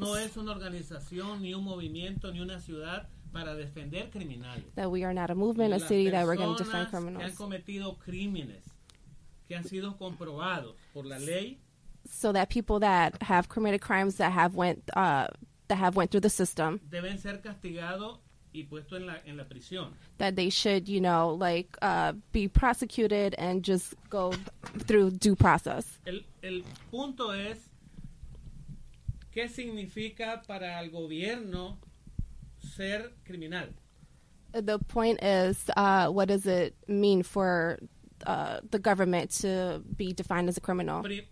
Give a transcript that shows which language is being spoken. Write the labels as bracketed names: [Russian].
[Spanish] No es una organización, ni un movimiento, ni una ciudad para defender criminales. [English] That we are not a movement, a city that we're going to defend criminals. [Spanish] Que han cometido crímenes, que han sido comprobados por la ley. [English] So that people that have committed crimes that have went through the system, [Spanish] deben ser castigados y puesto en la prisión. [English] That they should, you know, like be prosecuted and just go through due process. [Spanish] El punto es qué significa para el gobierno ser criminal. [English] The point is, what does it mean for the government to be defined as a criminal?